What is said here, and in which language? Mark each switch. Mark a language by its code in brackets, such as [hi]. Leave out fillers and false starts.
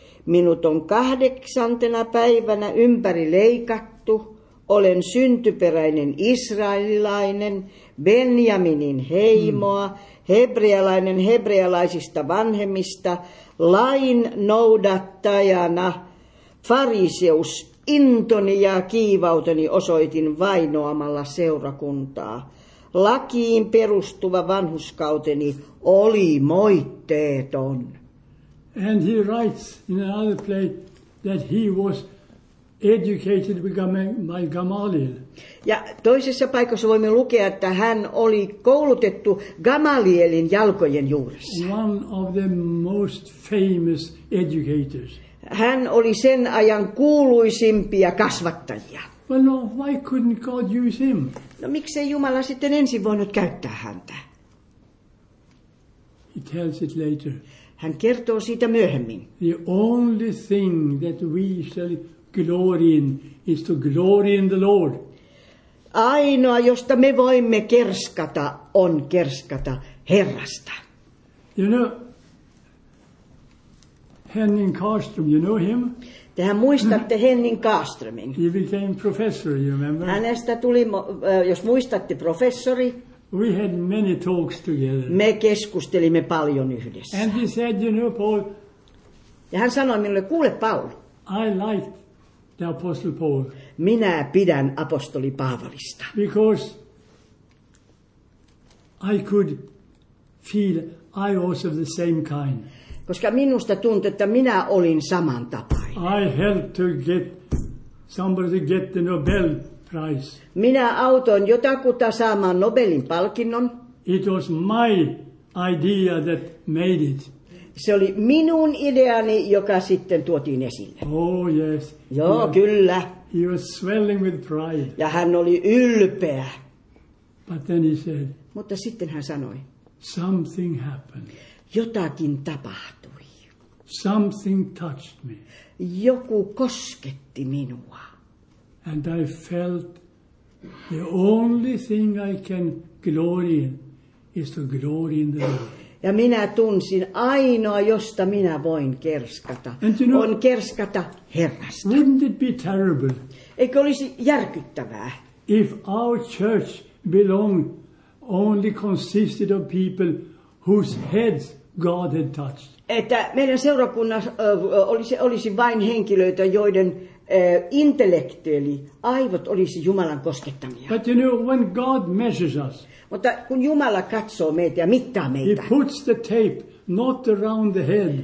[fi] Minut on 8. päivänä ympäri leikattu, olen syntyperäinen israelilainen, Benjaminin heimoa, hebrealainen hebrealaisista vanhemmista, lain noudattajana, fariseus, intoni ja kiivauteni osoitin vainoamalla seurakuntaa. Lakiin perustuva vanhuskauteni oli moitteeton. [en] And he writes in another place that he was educated by Gamaliel. [fi] Ja toisessa paikassa voimme lukea, että hän oli koulutettu Gamalielin jalkojen juuressa. [en] One of the most famous educators. [fi] Hän oli sen ajan kuuluisimpia kasvattajia. [en] Well, no, why couldn't God use him? [fi] No miksei Jumala sitten ensin voinut käyttää häntä? [en] He tells it later. [fi] Hän kertoo siitä myöhemmin. [en] The only thing that we shall glory in is to glory in the Lord. [fi] Ainoa, josta me voimme kerskata, on kerskata Herrasta. [en] You know, Henning Karström, you know him? [fi] Tehän muistatte Henning Karströmin. [en] He became professor, you remember? [fi] Hänestä tuli, jos muistatte, professori. [en] We had many talks together. [fi] Me keskustelimme paljon yhdessä. [en] And he said, you know, Paul. [fi] Ja hän sanoi minulle, kuule, Paul. [en] I liked the apostle Paul. [fi] Minä pidän apostoli Paavalista. [en] Because I could feel I was of the same kind. [fi] Koska minusta tuntui, että minä olin samantapainen. [en] I helped to get somebody to get the Nobel Prize. [fi] Minä autoin jotakuta saamaan Nobelin palkinnon. [en] It was my idea that made it. [fi] Se oli minun ideani, joka sitten tuotiin esille. [en] Oh yes. [fi] Joo, kyllä. [en] He was swelling with pride. [fi] Ja hän oli ylpeä. [en] But then he said. [fi] Mutta sitten hän sanoi. [en] Something happened. [fi] Jotakin tapahtui. [en] Something touched me. [fi] Joku kosketti minua. [en] And I felt the only thing I can glory in is to glory in the Lord. [fi] Ja minä tunsin ainoa, josta minä voin kerskata, [en] you know, [fi] on kerskata Herrasta. [en] Wouldn't it be terrible? [fi] Eikö olisi järkyttävää? [en] If our church belonged only consisted of people whose heads God had touched. [fi] Että meidän seurakunnassa olisi vain henkilöitä, joiden intellektueli aivot olisi Jumalan koskettamia. [en] But you know, when God measures us. [fi] Mutta kun Jumala katsoo meitä ja mittaa meitä. [en] He puts the tape not around the head.